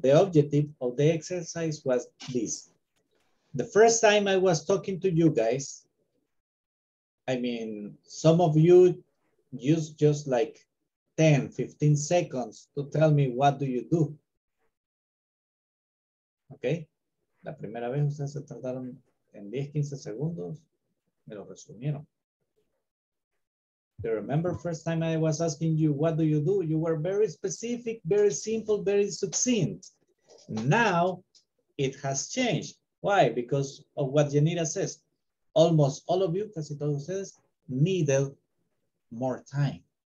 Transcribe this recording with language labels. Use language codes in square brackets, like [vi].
[en] The objective of the exercise was this. The first time I was talking to you guys, I mean, some of you use just like 10, 15 seconds to tell me what do you do. Okay? [es] La primera vez ustedes se tardaron en 10, 15 segundos, me lo resumieron. [en] You remember first time I was asking you, what do? You were very specific, very simple, very succinct. Now it has changed. Why? Because of what Janira says. Almost all of you, [es] casi todos ustedes, [en] needed more time.